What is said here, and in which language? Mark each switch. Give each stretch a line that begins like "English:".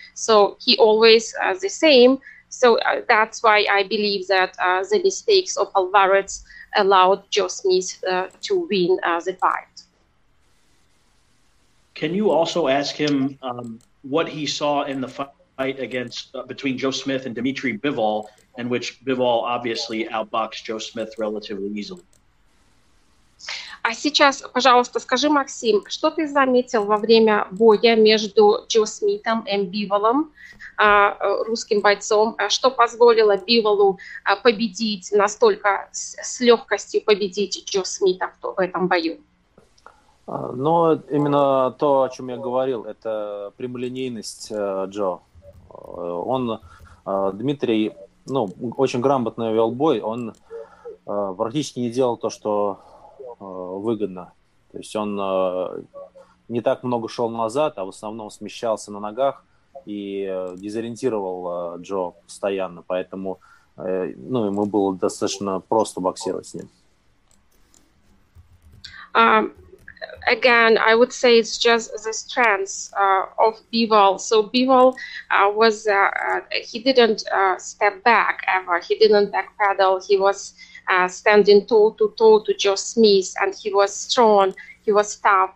English: So he always the same. So that's why I believe that the mistakes of Alvarez allowed Joe Smith to win the fight. Can you also ask him what he saw in the fight against between Joe Smith and Dmitry Bivol, in which Bivol obviously outboxed Joe Smith relatively easily?
Russian: А сейчас, пожалуйста, скажи, Максим, что ты заметил во время боя между Джо Смитом и Биволом, русским бойцом, что позволило Биволу победить настолько с легкостью победить Джо Смита в этом бою? Ну, именно то, о чем я говорил, это прямолинейность Джо. Он, Дмитрий, ну, очень грамотно вел бой, он практически не делал то, что выгодно. То есть он не так много шел назад, а в основном смещался на ногах и дезориентировал Джо постоянно. Поэтому ну, ему было достаточно просто боксировать с ним.
English: Again, I would say it's just the strength of Bivol. So Bivol was, he didn't step back ever. He didn't backpedal. He was standing toe-to-toe to Joe Smith, and he was strong. He was tough.